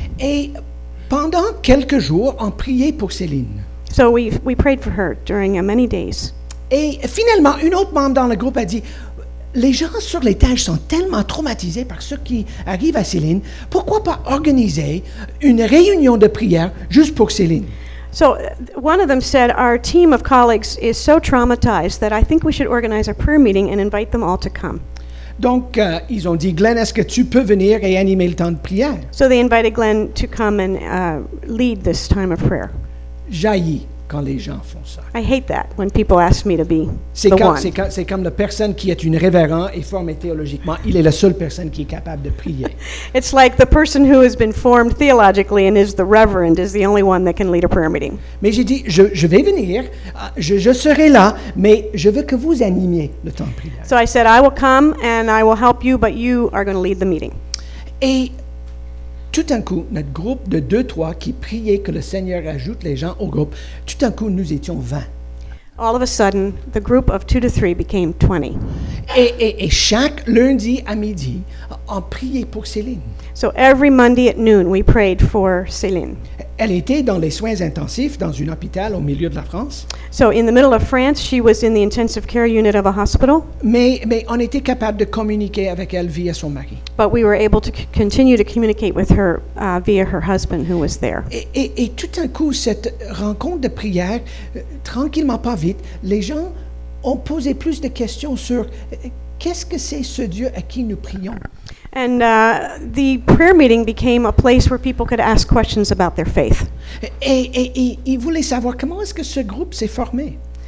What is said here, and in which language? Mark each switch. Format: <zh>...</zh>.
<fr>Et pendant quelques jours, on priait pour Céline.</fr> <en>So we prayed for her during many days.</en> <fr>Et finalement, une autre membre dans le groupe a dit, les gens sur l'étage sont tellement traumatisés par ce qui arrive à Céline, pourquoi pas organiser une réunion de prière juste pour Céline?</fr> <en>So, one of them said, our team of colleagues is so traumatized that I think we should organize a prayer meeting and invite them all to come.</en> <fr>Donc, ils ont dit, Glenn, est-ce que tu peux venir et animer le temps de prière?</fr> <en>So they invited Glenn to come and lead this time of prayer.</en> <fr>J'haïs quand les gens font ça.</fr> <en>I hate that when people ask me to be</en> <fr>c'est</fr> <en>the</en> <fr>quand,</fr> <en>one.</en> <fr>C'est comme la personne qui est une révérend et formée théologiquement, il est la seule personne qui est capable de prier.</fr> <en>It's like the person who has been formed theologically and is the reverend is the only one that can lead a prayer meeting.</en> <fr>Mais j'ai dit, je vais venir, je serai là, mais je veux que vous animiez le temps de prière.</fr> <en>So I said, I will come and I will help you, but you are going to lead the meeting.</en> <fr>Et tout d'un coup, notre groupe de 2-3 qui priait que le Seigneur ajoute les gens au groupe, tout d'un coup, nous étions 20.</fr> <en>All of a sudden, the group of 2 to 3 became 20.</en> <fr>Et chaque lundi à midi, on priait pour Céline.</fr> <en>So every Monday at noon, we prayed for Céline.</en> <fr>Elle était dans les soins intensifs dans un hôpital au milieu de la France.</fr> <en>So in the middle of France, she was in the intensive care unit of a hospital.</en> <fr>Mais on était capable de communiquer avec elle via son mari.</fr> <en>But we were able to continue to communicate with her via her husband who was there.</en> <fr>Et tout d'un coup, cette rencontre de prière, tranquillement, pas vite, les gens ont posé plus de questions sur qu'est-ce que c'est ce Dieu à qui nous prions.</fr> <en>And the prayer meeting became a place where people could ask questions about their faith.</en> <fr>Et ils voulaient savoir comment est-ce que ce groupe s'est formé.</fr>